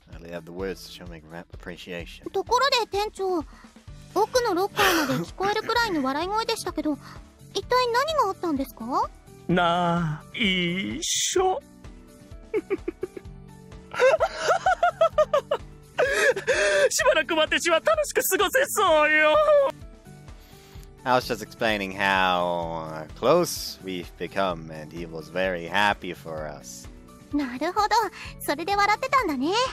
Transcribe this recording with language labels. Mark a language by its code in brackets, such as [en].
[en] I only have the words to show my appreciation. [ja] ところで店長、奥のロッカーまで聞こえるくらいの笑い声でしたけど、一体何があったんですか？なあ、一緒。しばらく私は楽しく過ごせそうよ。 [en] I was just explaining how close we've become, and he was very happy for us. [ja] なるほど、それで笑ってたんだね。